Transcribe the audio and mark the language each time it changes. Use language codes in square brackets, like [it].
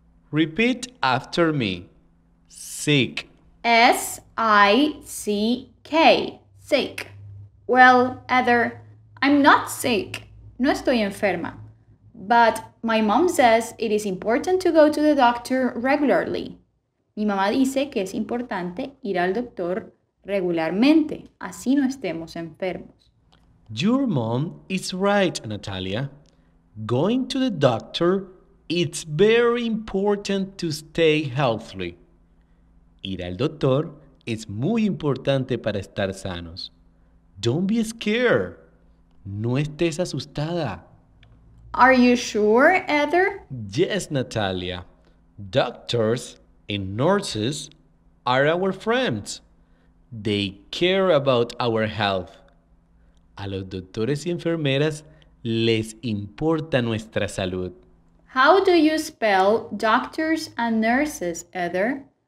[en] Repeat after me. Sick. S-I-C-K. Sick. Well, Heather, I'm not sick. [es] No estoy enferma. [en] But my mom says it is important to go to the doctor regularly. [es] Mi mamá dice que es importante ir al doctor regularmente, así no estemos enfermos. [en] Your mom is right, Natalia. Going to the doctor, it's very important to stay healthy. [es] Ir al doctor es muy importante para estar sanos. [en] Don't be scared. [es] No estés asustada. [en] Are you sure, Heather? Yes, Natalia. Doctors and nurses are our friends. They care about our health. [es] A los doctores y enfermeras les importa nuestra salud. [en] How do you spell doctors and nurses, Heather?